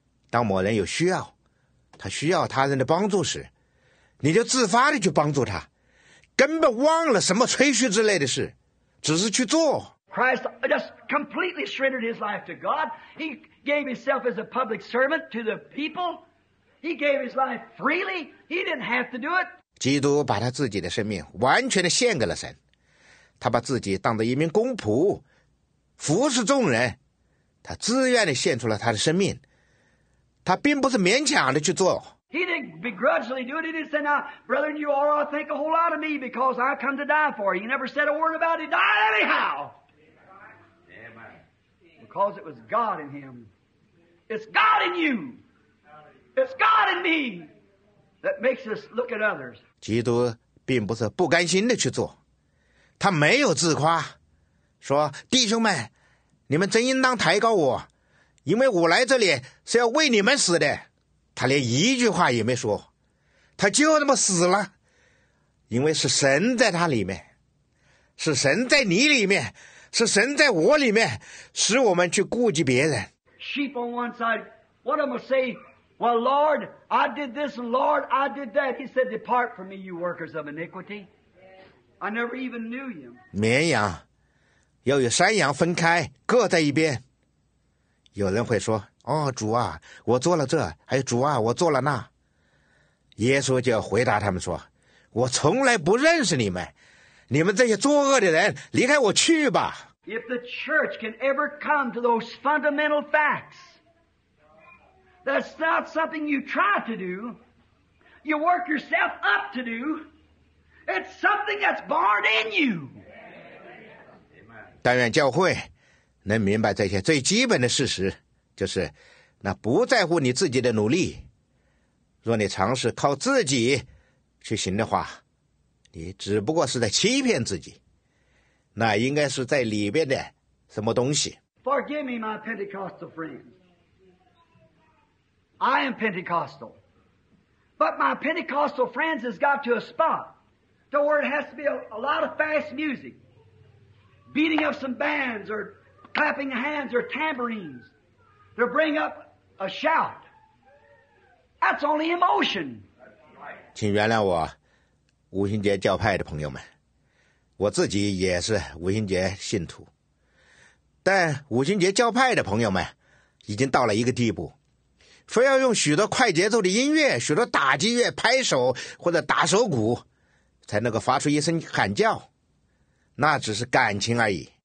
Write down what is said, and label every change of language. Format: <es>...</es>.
<zh>当某人有需要，他需要他人的帮助时，你就自发的去帮助他，根本忘了什么吹嘘之类的事，只是去做。</zh> <en>Christ just completely surrendered his life to God. He gave himself as a public servant to the people. He gave his life freely. He didn't have to do it.</en> <zh>基督把他自己的生命完全的献给了神，他把自己当作一名公仆。服侍众人，他自愿地献出了他的生命，他并不是勉强地去做。</zh> <en>He didn't begrudgingly do it. He didn't say, "Now, brethren, you all ought to think a whole lot of me because I come to die for you." He never said a word about it. Died anyhow. Amen. Because it was God in him. It's God in you. It's God in me that makes us look at others.</en> <zh>基督并不是不甘心地去做，他没有自夸。说弟兄们，你们真应当抬高我，因为我来这里是要为你们死的。他连一句话也没说，他就那么死了。因为是神在他里面，是神在你里面，是神在我里面，使我们去顾及别人。</zh> <en>Sheep on one side, one of them say, "Well, Lord, I did this, Lord, I did that." He said, "Depart from me, you workers of iniquity. I never even knew you."</en> <zh>绵羊要与山羊分开，各在一边。有人会说，哦，主啊，我做了这，还有主啊，我做了那。耶稣就要回答他们说，我从来不认识你们，你们这些作恶的人，离开我去吧。</zh> <en>If the church can ever come to those fundamental facts, that's not something you try to do, you work yourself up to do, it's something that's born in you.</en> <zh>但愿教会能明白这些最基本的事实，就是那不在乎你自己的努力。若你尝试靠自己去行的话，你只不过是在欺骗自己，那应该是在里边的什么东西。</zh> <en>Forgive me, my Pentecostal friends. I am Pentecostal. But my Pentecostal friends has got to a spot to where it has to be a lot of fast music, beating up some bands or clapping hands or tambourines to bring up a shout. That's only emotion.</en> <zh>请原谅我，无心结教派的朋友们，我自己也是无心结信徒，但无心结教派的朋友们已经到了一个地步，非要用许多快节奏的音乐、许多打击乐、拍手或者打手鼓，才能够发出一声喊叫，那只是感情而已。</zh>